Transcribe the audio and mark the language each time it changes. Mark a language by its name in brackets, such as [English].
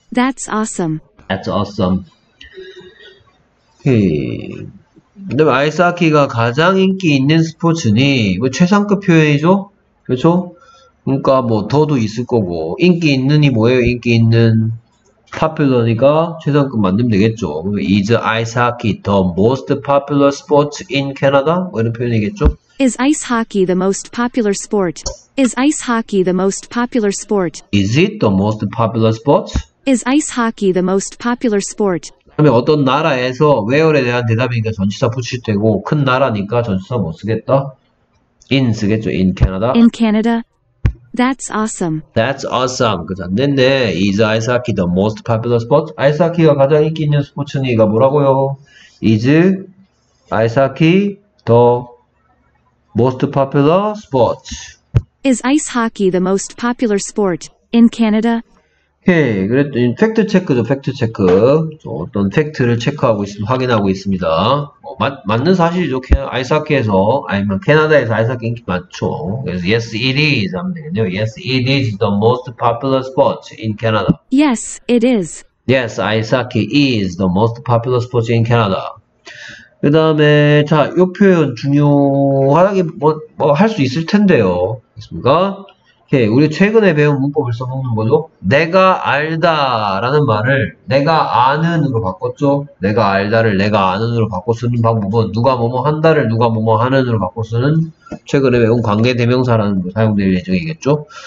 [English] That's awesome. That's awesome. 오케이. [Korean] 근데 아이스하키가 가장 인기 있는 스포츠니 뭐 최상급 표현이죠? 그렇죠? 그러니까 뭐 더도 있을 거고 인기 있는이 뭐예요? 인기 있는 popular니까 최상급 만들면 되겠죠. [English] Is ice hockey the most popular sport in Canada? [Korean] 뭐 이런 표현이겠죠? [English] Is ice hockey the most popular sport? Is ice hockey the most popular sport? Is it the most popular sport? Is ice hockey the most popular sport? [Korean] 그러면 어떤 나라에서 where에 대한 대답이니까 전치사 붙일 테고 큰 나라니까 전치사 못 쓰겠다. [English] In [Korean] 쓰겠죠. [English] In Canada. In Canada. That's awesome. That's awesome. [Korean] 그죠. 네네. [English] Is ice hockey the most popular sport? Ice hockey가 [Korean] 가장 인기 있는 스포츠니까 뭐라고요? [English] Is ice hockey the most popular sport? Is ice hockey the most popular sport in Canada? [Korean] 오케이, 그랬더니 팩트 체크죠. 팩트 체크. 어떤 팩트를 체크하고 있습니다. 확인하고 있습니다. 뭐, 맞는 사실이죠. 아이스하키에서 아니면 캐나다에서 아이스하키 인기 많죠. 그래서 yes it is 하면 되겠네요. [English] Yes it is the most popular sport in Canada. Yes it is. Yes, aisaki is the most popular sport in Canada. [Korean] 그 다음에 자, 이 표현 중요하게 뭐 할 수 있을 텐데요. 있습니까? 오케이. 우리 최근에 배운 문법을 써먹는 거죠. 내가 알다라는 말을 내가 아는으로 바꿨죠. 내가 알다를 내가 아는으로 바꿔 쓰는 방법은 누가 뭐뭐 한다를 누가 뭐뭐 하는으로 바꿔 쓰는 최근에 배운 관계 대명사라는 거 사용될 예정이겠죠.